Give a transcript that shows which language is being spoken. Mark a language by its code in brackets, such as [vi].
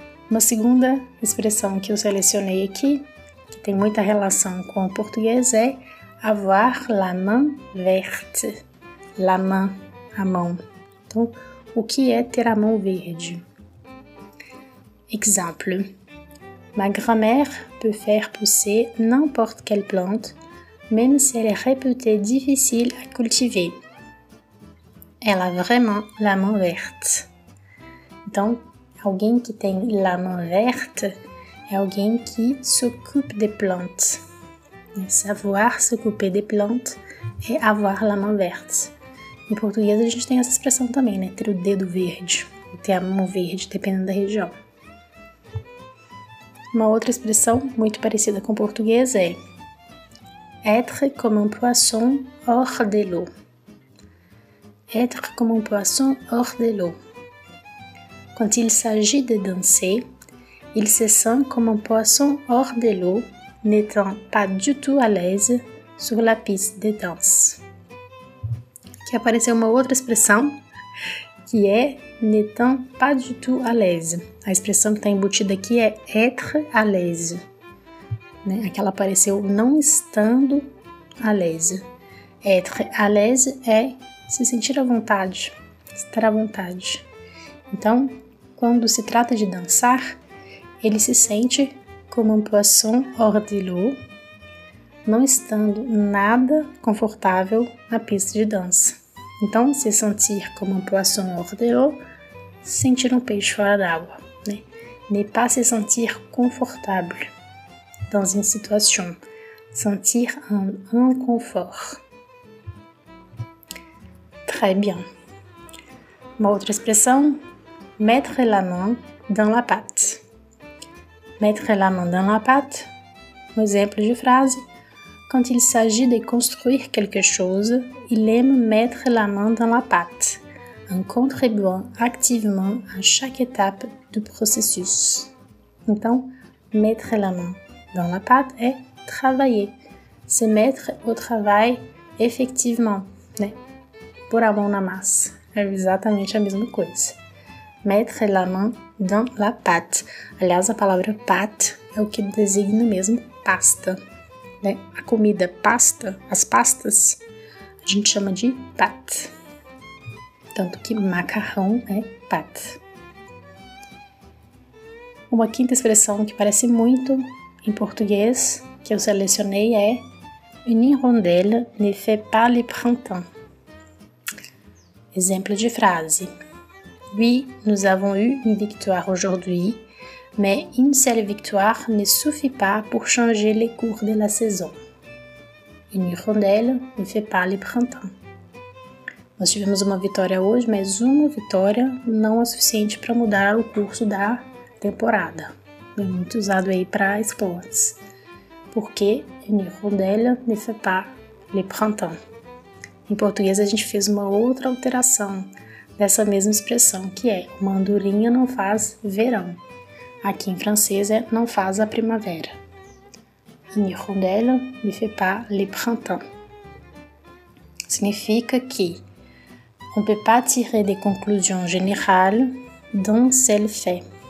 [pt] Uma segunda expressão que eu selecionei aqui, que tem muita relação com o português, é [fr] avoir la main verte. [pt] La main, a mão. Então, o que é ter a mão verde? Exemplo. [fr] Ma grand-mère peut faire pousser n'importe quelle plante, même si elle est réputée difficile à cultiver. Elle a vraiment la main verte. [pt] Então, alguém que tem [fr] la main verte [pt] é alguém que [fr] s'occupe des plantes. Et savoir s'occuper des plantes est avoir la main verte. [pt] Em português, a gente tem essa expressão também, né? Ter o dedo verde, ou ter a mão verde, dependendo da região. Uma outra expressão muito parecida com o português é [fr] être comme un poisson hors de l'eau. Être comme un poisson hors de l'eau. Quand il s'agit de danser, il se sent comme un poisson hors de l'eau, n'étant pas du tout à l'aise sur la piste de danse. [pt] Aqui apareceu uma outra expressão, que é [fr] n'étant pas du tout à l'aise. [pt] A expressão que está embutida aqui é [fr] être à l'aise. [pt] Né? Aquela apareceu não estando à l'aise. [fr] Être à l'aise [pt] é se sentir à vontade, estar à vontade. Então, quando se trata de dançar, ele se sente como um [fr] poisson hors de l'eau, [pt] não estando nada confortável na pista de dança. Então, se sentir como um [fr] poisson hors de l'eau, [pt] sentir um peixe fora d'água. Né? [fr] Ne pas se sentir confortable dans une situation. Sentir un inconfort. Très bien. [pt] Uma outra expressão. [fr] Mettre la main dans la pâte. Mettre la main dans la pâte. [pt] Um exemplo de frase. [fr] Quand il s'agit de construire quelque chose, il aime mettre la main dans la pâte, en contribuant activement à chaque étape du processus. Então, mettre la main dans la pâte é travailler. Se mettre au travail effectivement. [pt] Né? Pôr a mão na massa. É exatamente a mesma coisa. [fr] Mettre la main dans la pâte. [pt] Aliás, a palavra pâte é o que designa mesmo pasta. Né? A comida pasta, as pastas, a gente chama de pâte. Tanto que macarrão é pâte. Uma quinta expressão que parece muito em português, que eu selecionei, é [fr] une hirondelle ne fait pas le printemps. [pt] Exemplo de frase. [fr] Oui, nous avons eu une victoire aujourd'hui, mais une seule victoire ne suffit pas pour changer les cours de la saison. Une hirondelle ne fait pas le printemps. [pt] Nós tivemos uma vitória hoje, mas uma vitória não é suficiente para mudar o curso da temporada. É muito usado aí para esportes. [fr] Porque une rondelle ne fait pas le printemps. [pt] Em português, a gente fez uma outra alteração dessa mesma expressão, que é uma andorinha não faz verão. Aqui em francês é não faz a primavera. [fr] Une rondelle ne fait pas le printemps. Significa que on ne peut pas tirer des conclusions générales d'un seul fait.